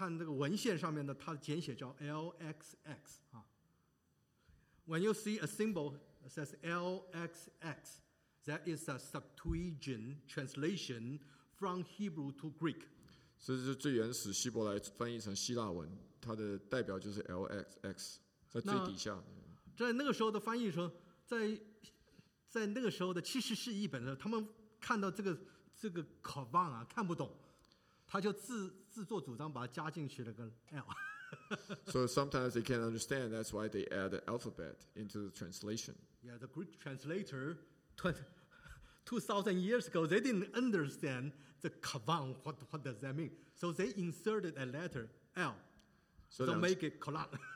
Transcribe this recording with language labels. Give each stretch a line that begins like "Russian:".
Chinese: 那如果大家看这个文献上面的，它的简写叫 LXX.
English: When you see a symbol that says LXX. That is a Septuagint translation from Hebrew to Greek. So this is
Chinese: 最原始希伯来翻译成希腊文，它的代表就是 LXX 在最底下。在那个时候的翻译说，在那个时候的七世纪译本的，他们看到这个 Kavan 啊看不懂，他就自作主张把它加进去了个 L.
English: So sometimes they can't understand. That's why they add the alphabet into the translation. Yeah, the Greek translator 2,000 years ago, they didn't understand the kavan. What does that mean? So they inserted a letter L to make it kolam.